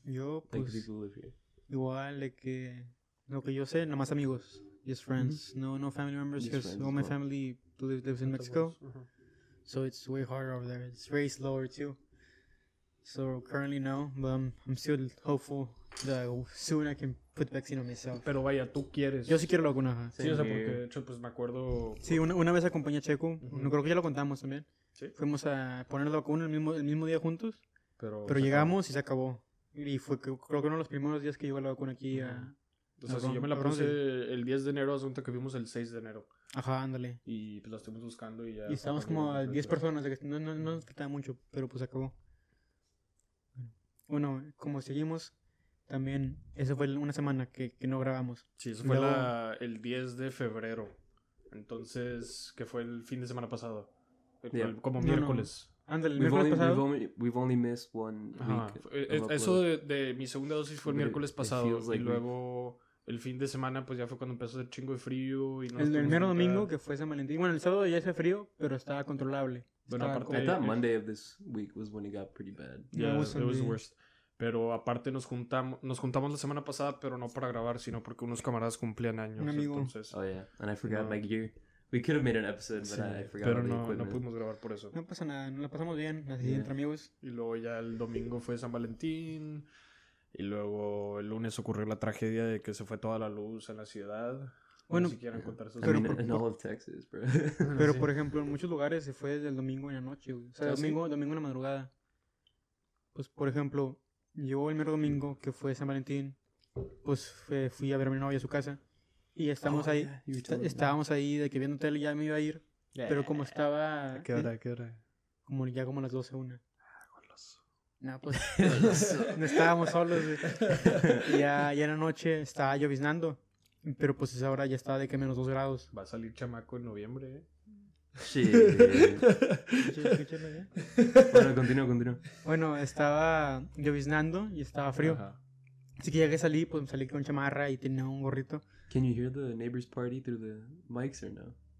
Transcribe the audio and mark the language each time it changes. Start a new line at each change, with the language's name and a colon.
Spanish: Yo, pues,
English: like people live here.
Spanish: Igual, de que... Lo que yo sé, nomás amigos.
English: Just friends.
Spanish: Mm-hmm.
English: No family members. Because all my family lives in Mexico. Uh-huh. So it's way harder over there. It's way slower too. So currently no. But I'm still hopeful that soon I can put the vaccine on myself.
Spanish: Pero vaya, tú quieres. Yo sí quiero la vacuna. Sí, o sea, porque de hecho pues me acuerdo... Sí, una vez acompañé a Checo. Uh-huh. Creo que ya lo contamos también. ¿Sí? Fuimos a poner la vacuna el mismo día juntos. Pero llegamos y se acabó. Y fue creo que uno de los primeros días que llegó la vacuna aquí a... O sea, si yo me la puse el 10 de enero, asunto que vimos el 6 de enero. Ajá, ándale. Y pues la estuvimos buscando y ya. Y estábamos como a 10 personas, de que no nos quitaba mucho, pero pues acabó. Bueno, como seguimos, también, eso fue una semana que no grabamos. Sí, eso fue el 10 de febrero. Entonces, que fue el fin de semana pasado. Como miércoles. Ándale, el miércoles pasado.
English: We've only missed one week.
Spanish: Eso de mi segunda dosis fue el miércoles pasado. Y luego... El fin de semana, pues ya fue cuando empezó a hacer chingo de frío. Y no, el mero domingo, que fue San Valentín. Bueno, el sábado ya hace frío, pero estaba controlable. Bueno, aparte,
English: I thought Monday of this week was when it got pretty bad. Yeah, it was the worst.
Spanish: Pero aparte nos juntamos la semana pasada, pero no para grabar, sino porque unos camaradas cumplían años. Un amigo. Entonces,
English: oh, yeah. And I forgot my gear. We could have made an episode, but sí, I forgot the equipment.
Spanish: Pero no pudimos grabar por eso. No pasa nada, nos la pasamos bien, así, yeah, entre amigos. Y luego ya el domingo fue San Valentín. Y luego el lunes ocurrió la tragedia de que se fue toda la luz en la ciudad. Bueno, si quieren contar eso. Pero en
English: all of Texas, bro.
Spanish: Pero, por ejemplo, en muchos lugares se fue desde el domingo en la noche, güey. O sea, domingo en la madrugada. Pues, por ejemplo, Yo el mero domingo, que fue San Valentín, pues fui a ver a mi novia a su casa. Y estamos estábamos ahí de que viendo tele ya me iba a ir. Pero como estaba... ¿A qué hora? Como ya como las 12, una. Goloso. No, pues no estábamos solos. Ya en la noche estaba lloviznando. Pero pues esa hora ya estaba de que menos 2 grados. Va a salir chamaco en noviembre, ¿eh? Sí. Escúchame, ¿eh? Bueno, continúo. Bueno, estaba lloviznando y estaba frío. Ajá. Así que ya que salí, pues me salí con chamarra y tenía un gorrito.
English: Can you hear the neighbor's party through the mics or no?